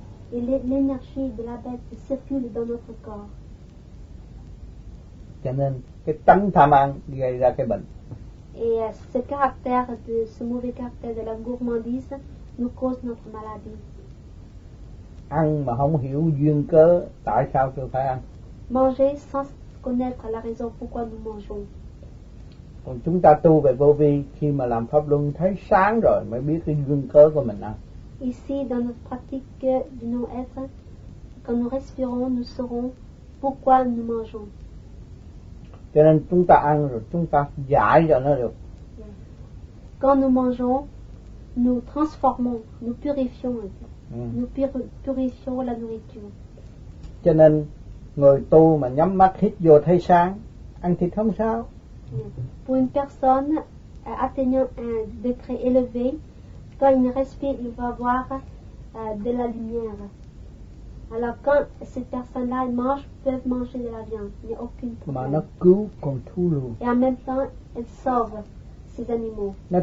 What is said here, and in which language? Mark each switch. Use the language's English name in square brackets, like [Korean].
[French] Et l'énergie de la bête circule dans notre corps. [Vietnamese] Cho nên cái tâm tham ăn gây ra cái bệnh. [French] Et ce caractère de ce mauvais caractère de la gourmandise nous cause notre maladie. [Vietnamese] Ăn mà không hiểu duyên cớ tại sao tôi phải ăn. [French] Manger sans connaître la raison pourquoi nous mangeons. [Vietnamese] Còn chúng ta tu về vô vi, khi mà làm pháp luân thấy sáng rồi mới biết cái duyên cớ của mình ăn. [French] Ici, dans notre pratique du non-être, quand nous respirons, nous saurons pourquoi nous mangeons. [Vietnamese] Cho nên chúng ta ăn rồi, chúng ta giải cho nó được. [French] Quand nous mangeons, nous transformons, nous purifions. Nous purifions la nourriture. [Vietnamese] Cho nên, người tu mà nhắm mắt hít vô thấy sáng, ăn thịt không sao. [French] Pour une personne atteignant un degré élevé, quand il respire, il va voir de la lumière. Alors quand cette personne-là mange, peuvent manger de la viande. Il n'y a aucune problème. Et en même temps, elle sauve ces animaux.